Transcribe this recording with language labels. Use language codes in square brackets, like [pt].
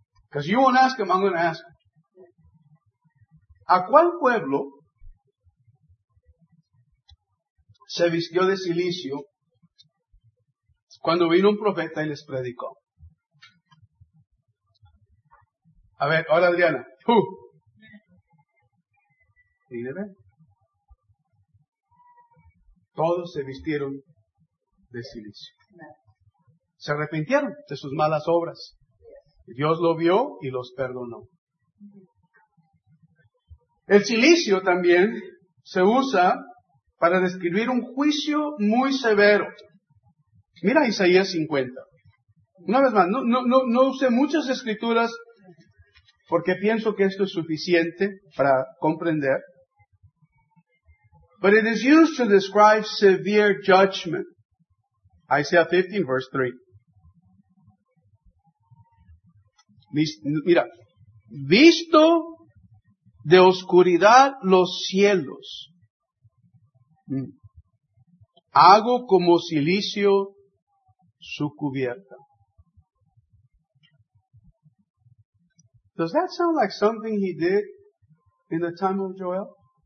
[en] Because you won't ask them, I'm going to ask them. [es] ¿A cuál pueblo se vistió de silicio cuando vino un profeta y les predicó? A ver, hola Adriana. Nínive. Todos se vistieron de silicio. Se arrepintieron de sus malas obras. Dios lo vio y los perdonó. El silicio también se usa para describir un juicio muy severo. Mira Isaías 50. Una vez más, no usé muchas escrituras porque pienso que esto es suficiente para comprender. [en] But it is used to describe severe judgment. Isaiah 15, verse 3. [es] Mira, visto de oscuridad los cielos, hago como silicio su cubierta. [en] Does that sound like something he did in the time of Joel?